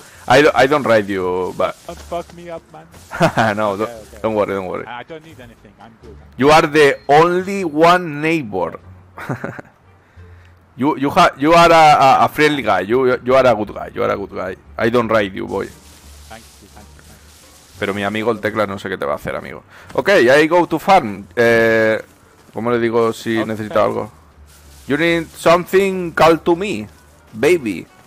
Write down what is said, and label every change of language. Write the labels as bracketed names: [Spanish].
[English] I don't write you, but... Don't fuck me up, man. No, okay. Don't worry. I don't need anything, I'm good. You are the only one neighbor. you are a friendly guy, you are a good guy. I don't write you, boy. Thank you. [Spanish] Pero mi amigo el tecla no sé qué te va a hacer, amigo. [English] Ok, I go to farm. [Spanish] ¿Cómo le digo si necesito algo? [English] You need something, call to me, baby.